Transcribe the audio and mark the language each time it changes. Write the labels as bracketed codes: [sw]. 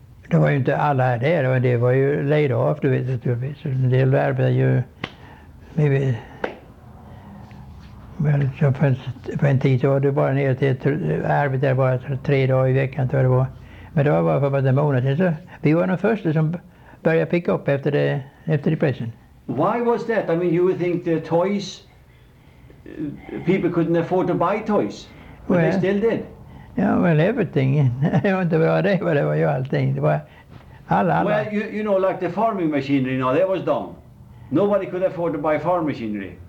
[en] they were not all there, but they were laid off, to it, naturally. So they were, but you... Maybe... [sv] Well, så för en tid så var det bara ner till arbetet bara 3 dagar i veckan, tror jag det var. Men det var bara för en månad sedan, så vi var de första som började picka upp efter depressionen. [en] Why was that? I mean, you would think the toys, people couldn't afford to buy toys, but well, they still did. Yeah, well, everything. [sv] Det var inte bara det, men det var ju allting. Det var alla. [en] Well, you know, like the farming machinery, now that was done. Nobody could afford to buy farm machinery.